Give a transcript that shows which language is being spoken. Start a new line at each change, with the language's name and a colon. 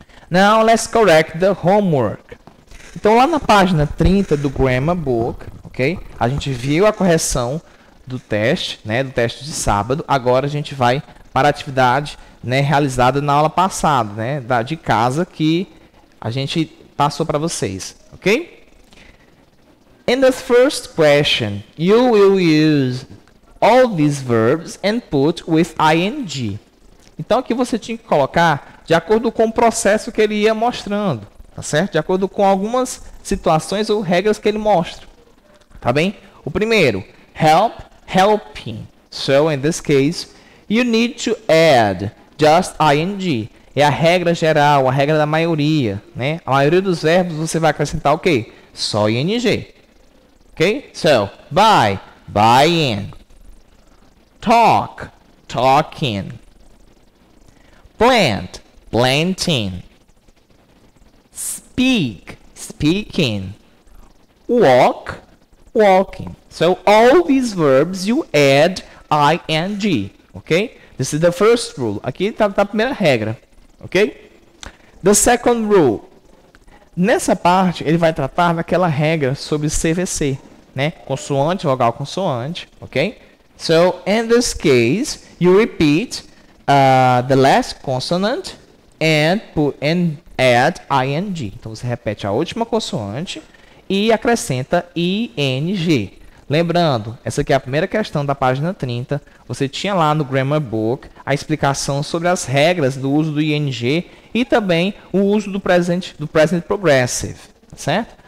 English: Now, let's correct the homework.
Portuguese: Então, lá na página 30 do Grammar Book, ok? A gente viu a correção do teste, né, do teste de sábado. Agora, a gente vai para a atividade, né, realizada na aula passada, né, da de casa que a gente passou para vocês, ok?
English: In the first question, you will use all these verbs and put with ing.
Portuguese: Então, aqui você tinha que colocar de acordo com o processo que ele ia mostrando, tá certo? De acordo com algumas situações ou regras que ele mostra, tá bem? O primeiro, help, helping.
English: So, in this case, you need to add just ing.
Portuguese: É a regra geral, a regra da maioria, né? A maioria dos verbos você vai acrescentar o quê? Só
English: ing. Ok? So, buy, buying. Talk, talking. Plant, planting. Speak, speaking. Walk, walking. So, all these verbs you add ing. Ok? This is the first rule.
Portuguese: Aqui está a primeira regra.
English: Ok? The second rule.
Portuguese: Nessa parte, ele vai tratar daquela regra sobre CVC. Né? Consoante, vogal, consoante. Ok?
English: So, in this case, you repeat the last consonant and add ing.
Portuguese: Então, você repete a última consoante e acrescenta ing. Lembrando, essa aqui é a primeira questão da página 30. Você tinha lá no Grammar Book a explicação sobre as regras do uso do ing e também o uso do present progressive, certo?